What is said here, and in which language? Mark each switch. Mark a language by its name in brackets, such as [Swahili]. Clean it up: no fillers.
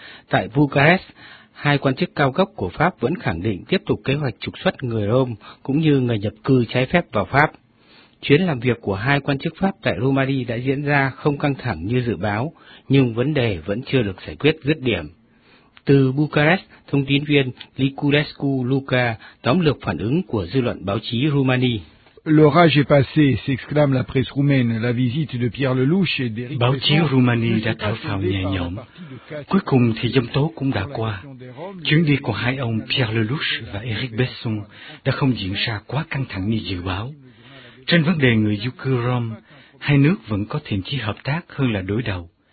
[Vietnamese] Tại Bucharest, hai quan chức cao cấp của Pháp vẫn khẳng định tiếp tục kế hoạch trục xuất người Rome cũng như người nhập cư trái phép vào Pháp. Chuyến làm việc của hai quan chức Pháp tại Romania đã diễn ra không căng thẳng như dự báo, nhưng vấn đề vẫn chưa được giải quyết dứt điểm. Từ Bucharest, thông tín viên Liculescu Luca tóm lược phản ứng của dư luận báo chí Romania. [French] L'orage est passé, s'exclame la presse roumaine. La visite de Pierre Lelouch et d'Éric. [Vietnamese] Báo chí Roumanie đã thở phào nhẹ nhõm. Cuối cùng thì giông tố cũng đã qua. Chuyến đi của hai ông Pierre Lelouch và Éric Besson đã không diễn ra quá căng thẳng như dự báo. Trên vấn đề người di cư Rome, hai nước vẫn có thiện chí hợp tác hơn là đối đầu.